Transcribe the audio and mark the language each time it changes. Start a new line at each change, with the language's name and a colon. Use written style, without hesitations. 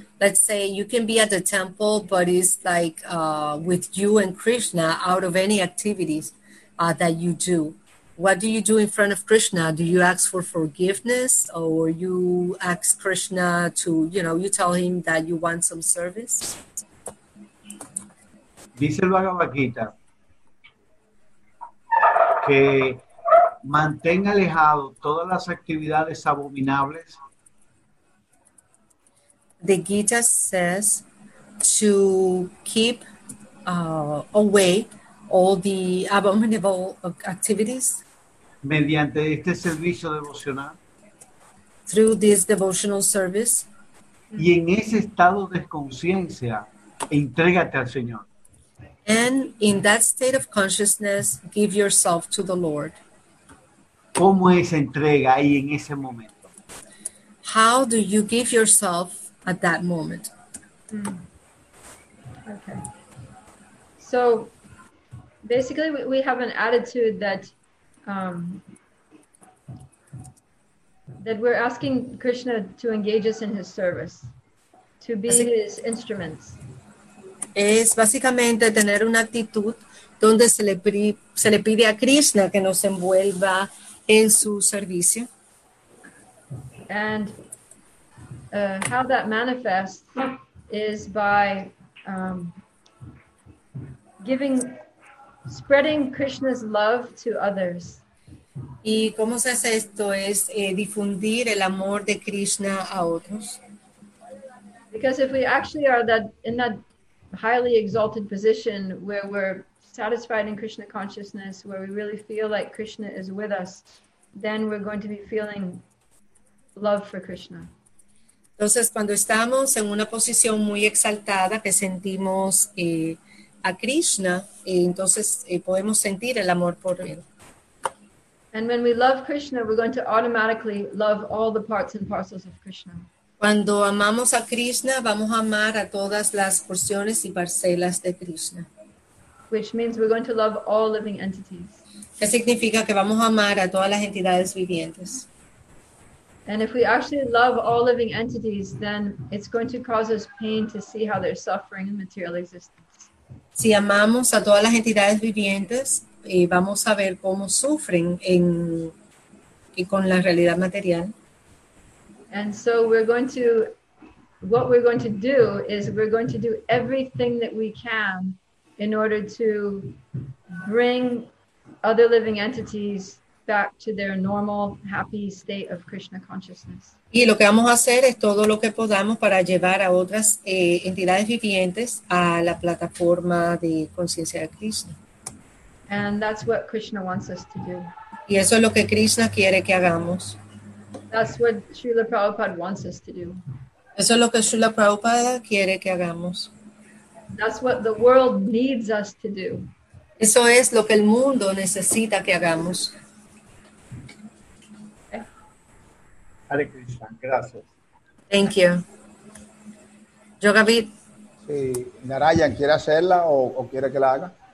English: Let's say you can be at the temple, but it's like with you and Krishna out of any activities that you do. What do you do in front of Krishna? Do you ask for forgiveness or you ask Krishna to, you know, you tell him that you want some service?
Spanish: Dice el Bhagavad Gita que mantenga alejado todas las actividades abominables.
English: The Gita says to keep away all the abominable activities.
Spanish: Mediante este servicio devocional.
English: Through this devotional service.
Spanish: Y en ese estado de conciencia, entrégate al Señor.
English: And in that state of consciousness, give yourself to the Lord.
Spanish: ¿Cómo es entrega ahí en ese momento?
English: How do you give yourself at that moment? Okay. So, basically, we have an attitude that that we're asking Krishna to engage us in his service, to be his instruments.
Spanish: Es básicamente tener una actitud donde se le pide a Krishna que nos envuelva en su servicio.
English: And how that manifests is by giving, spreading Krishna's love to others.
Spanish: ¿Y cómo se hace esto? Es difundir el amor de Krishna a otros.
English: Because if we actually are that in that highly exalted position where we're satisfied in Krishna consciousness, where we really feel like Krishna is with us, then we're going to be feeling love for Krishna.
Spanish: Entonces, cuando estamos en una posición muy exaltada que sentimos a Krishna, entonces podemos sentir el amor por él.
English: And when we love Krishna, we're going to automatically love all the parts and parcels of Krishna.
Spanish: Cuando amamos a Krishna, vamos a amar a todas las porciones y parcelas de Krishna.
English: Which means we're going to love all living entities.
Spanish: ¿Qué significa? Que vamos a amar a todas las entidades vivientes.
English: And if we actually love all living entities, then it's going to cause us pain to see how they're suffering in material existence.
Spanish: Si amamos a todas las entidades vivientes, vamos a ver cómo sufren en y con la realidad material.
English: And so we're going to, what we're going to do is we're going to do everything that we can in order to bring other living entities back to their normal, happy state of Krishna consciousness.
Spanish: Y lo que vamos a hacer es todo lo que podamos para llevar a otras entidades vivientes a la plataforma de conciencia de Krishna.
English: And that's what Krishna wants us to do.
Spanish: Y eso es lo que Krishna quiere que hagamos.
English: That's what Srila Prabhupada wants us to do.
Spanish: Eso es lo que Srila Prabhupada quiere que hagamos.
English: That's what the world needs us to do.
Spanish: Eso es lo que el mundo necesita que hagamos. Hare Krishna, gracias.
English: Thank you. Yogavid.
Spanish: Sí, Narayan, ¿quiere hacerla o quiere que la haga?